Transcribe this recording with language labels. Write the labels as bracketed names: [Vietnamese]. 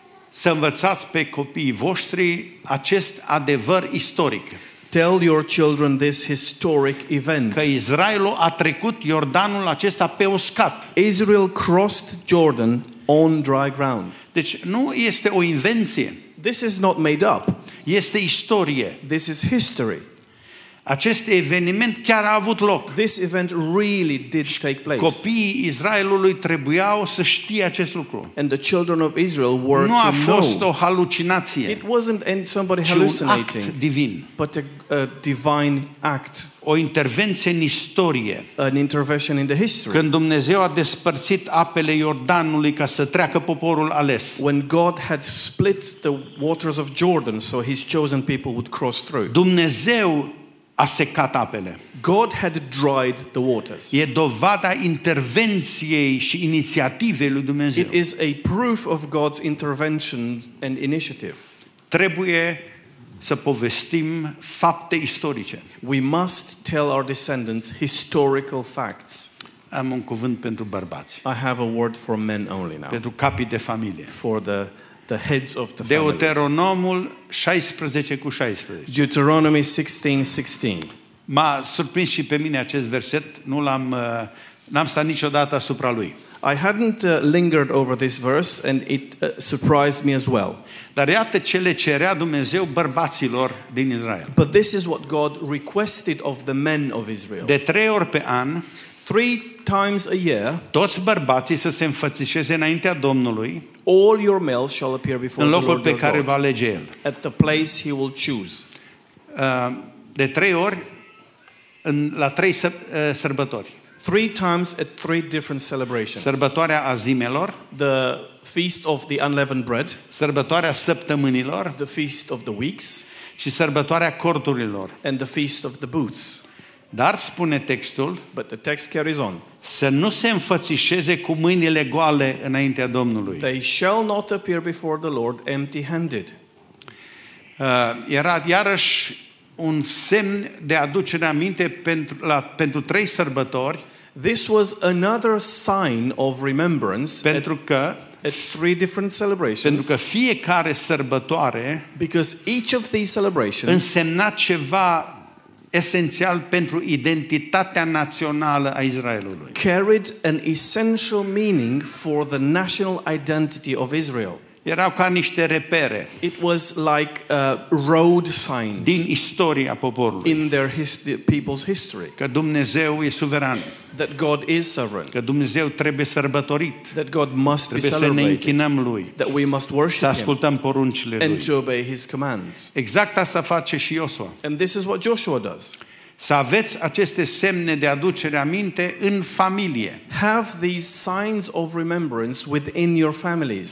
[Romanian] Să învățați pe copiii voștri acest adevăr istoric. [English] Tell your children this historic event. [Romanian] Că Israelul a trecut Iordanul acesta pe uscat. [English] Israel crossed Jordan on dry ground. [Romanian] Deci nu este o invenție. [English] This is not made up. [Romanian] Este istorie. [English] This is history. [Romanian] Acest eveniment chiar a avut loc. [English] This event really did take place. [Romanian] Copiii Israelului trebuiau să știe acest lucru. [English] And the children of Israel were to know. [Romanian] Nu a fost o halucinație. [English] It wasn't somebody hallucinating. [Romanian] Act divin. [English] But a divine act. [Romanian] O intervenție în istorie. [English] An intervention in the history. [Romanian] Când Dumnezeu a despărțit apele Iordanului ca să treacă poporul ales. [English] When God had split the waters of Jordan so his chosen people would cross through. [Romanian] Dumnezeu a secat apele. [English] God had dried the waters. [Romanian] E dovada intervenției și inițiativei lui Dumnezeu. [English] It is a proof of God's intervention and initiative. [Romanian] Trebuie să povestim fapte istorice. [English] We must tell our descendants historical facts. [Romanian] Am un cuvânt pentru bărbați. [English] I have a word for men only now. [Romanian] Pentru capii de familie. [English] For the heads of the families. [Romanian] Deuteronomul 16:16. [English] Deuteronomy 16:16. [Romanian] M-a surprins și pe mine acest verset, n-am stat niciodată asupra lui. [English] I hadn't lingered over this verse and it surprised me as well. [Romanian] Dar iată ce le cerea Dumnezeu bărbaților din Israel. [English] But this is what God requested of the men of Israel. [Romanian] De 3 ori pe an, [English] 3 times a year, [Romanian] toți bărbații să se înfățișeze înaintea Domnului. [English] All your males shall appear before the Lord. [Romanian] În locul pe care va alege el. [English] At the place he will choose. [Romanian] De 3 ori în la 3 sărbători. [English] 3 times at 3 different celebrations. [Romanian] Sărbătoarea azimelor, [English] the feast of the unleavened bread. [Romanian] Sărbătoarea săptămânilor, [English] the feast of the weeks. [Romanian] Și sărbătoarea corturilor, [English] and the feast of the booths. [Romanian] Dar spune textul, [English] but the text carries on. [Romanian] Să nu se înfățișeze cu mâinile goale înaintea Domnului. [English] They shall not appear before the Lord empty-handed. [Romanian] Era iarăși un semn de aducere aminte pentru 3 sărbători. [English] This was another sign of remembrance. [Romanian] Pentru că [English] at 3 different celebrations. [Romanian] Pentru că fiecare sărbătoare, [English] because each of these celebrations, [Romanian] însemna ceva esențial pentru identitatea națională a Israelului. [English] Carried an essential meaning for the national identity of Israel. [Romanian] Erau ca niște repere. [English] It was like road signs. [Romanian] Din istoria poporului. [English] In their people's history. [Romanian] Că Dumnezeu e suveran. [English] That God is sovereign. [Romanian] Că Dumnezeu trebuie sărbătorit. [English] That God must [Romanian] trebuie [English] be celebrated. [Romanian] Să ne închinăm lui. [English] That we must worship him. [Romanian] Să ascultăm poruncile lui. [English] And to obey his commands. [Romanian] Exact asta face și Iosua. [English] And this is what Joshua does. [Romanian] Să aveți aceste semne de aducere aminte în familie. [English] Have these signs of remembrance within your families.